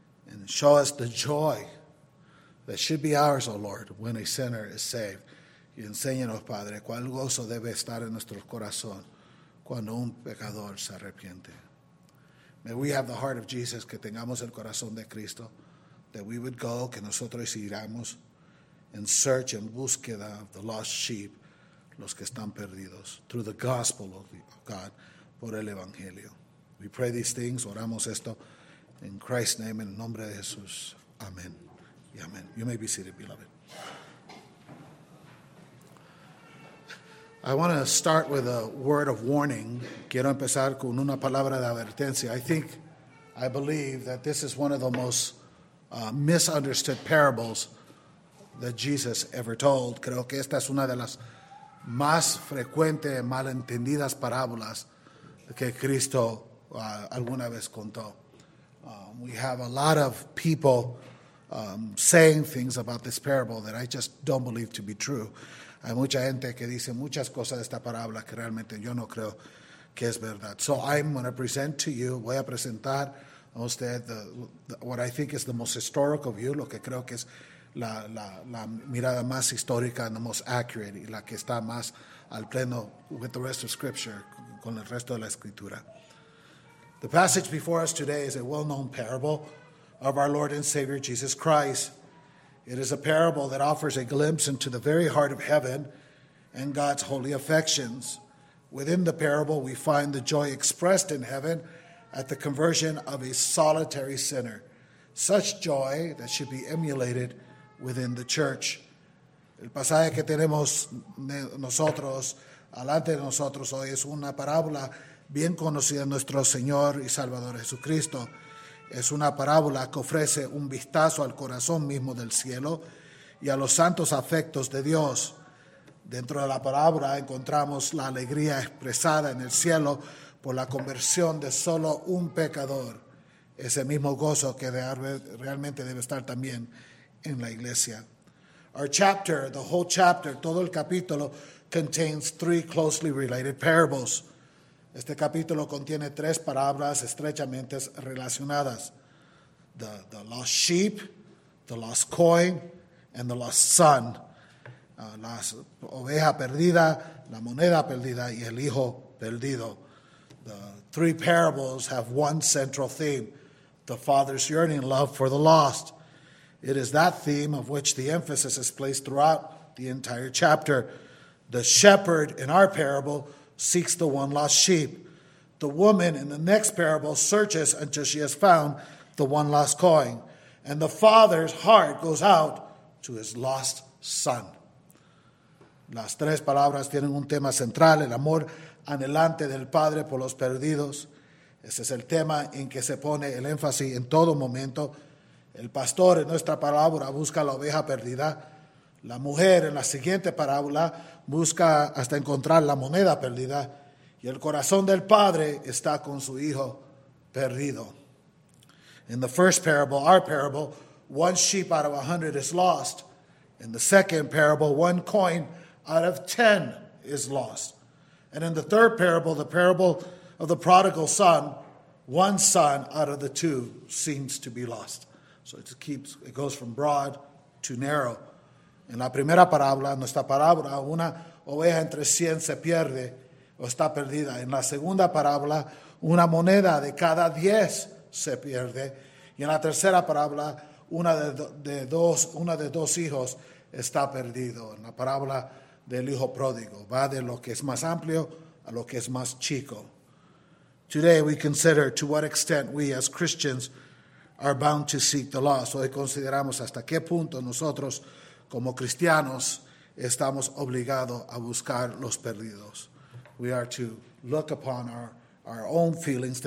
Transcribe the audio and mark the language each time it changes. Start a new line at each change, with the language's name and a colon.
English: And show us the joy that should be ours, O Lord, when a sinner is saved.
Spanish: Y enséñanos, Padre, cuál gozo debe estar en nuestro corazón cuando un pecador se arrepiente.
English: May we have the heart of Jesus,
Spanish: que tengamos el corazón de Cristo,
English: that we would go,
Spanish: que nosotros iramos,
English: in search and búsqueda of the lost sheep,
Spanish: los que están perdidos,
English: through the gospel of God,
Spanish: por el Evangelio.
English: We pray these things,
Spanish: oramos esto,
English: in Christ's name, in the
Spanish: nombre de Jesús.
English: Amen. Amen. You may be seated, beloved. I want to start with a word of warning.
Spanish: Quiero empezar con una palabra de advertencia.
English: I believe that this is one of the most misunderstood parables that Jesus ever told.
Spanish: Creo que esta es una de las más frecuentes malentendidas parábolas que Cristo alguna vez contó.
English: We have a lot of people saying things about this parable that I just don't believe to be true.
Spanish: Hay mucha gente que dice muchas cosas de esta parábola que realmente yo no creo que es verdad.
English: So I'm going to present to you,
Spanish: voy a presentar a usted
English: what I think is the most historical view,
Spanish: lo que creo que es la mirada más histórica
English: and the most accurate,
Spanish: y la que está más al pleno
English: with the rest of Scripture,
Spanish: con el resto de la Escritura.
English: The passage before us today is a well-known parable of our Lord and Savior Jesus Christ. It is a parable that offers a glimpse into the very heart of heaven and God's holy affections. Within the parable, we find the joy expressed in heaven at the conversion of a solitary sinner, such joy that should be emulated within the church.
Spanish: El pasaje que tenemos nosotros, alante de nosotros hoy, es una parábola bien conocido en nuestro Señor y Salvador Jesucristo. Es una parábola que ofrece un vistazo al corazón mismo del cielo y a los santos afectos de Dios. Dentro de la parábola encontramos la alegría expresada en el cielo por la conversión de solo un pecador. Ese mismo gozo que realmente debe estar también en la iglesia.
English: Our chapter, the whole chapter,
Spanish: todo el capítulo,
English: contains three closely related parables.
Spanish: Este capítulo contiene tres parábolas estrechamente relacionadas.
English: The lost sheep, the lost coin, and the lost son.
Spanish: La oveja perdida, la moneda perdida, y el hijo perdido.
English: The three parables have one central theme. the Father's yearning love for the lost. It is that theme of which the emphasis is placed throughout the entire chapter. The shepherd in our parable seeks the one lost sheep. The woman in the next parable searches until she has found the one lost coin. And the father's heart goes out to his lost son.
Spanish: Las tres palabras tienen un tema central, el amor anhelante del padre por los perdidos. Ese es el tema en que se pone el énfasis en todo momento. El pastor en nuestra parábola busca la oveja perdida. La mujer en la siguiente parábola busca hasta encontrar la moneda perdida. Y el corazón del padre está con su hijo perdido.
English: In the first parable, our parable, one sheep out of 100 is lost. In the second parable, one coin out of 10 is lost. And in the third parable, the parable of the prodigal son, one son out of the two seems to be lost. So it keeps, it goes from broad to narrow.
Spanish: En la primera parábola, nuestra parábola, una oveja entre 100 se pierde o está perdida. En la segunda parábola, una moneda de cada 10 se pierde. Y en la tercera parábola, una de dos hijos está perdido. En la parábola del hijo pródigo, va de lo que es más amplio a lo que es más chico.
English: Today we consider to what extent we as Christians are bound to seek the lost.
Spanish: Hoy consideramos hasta qué punto nosotros como cristianos estamos obligados a buscar los perdidos.
English: We are to look upon our own feelings.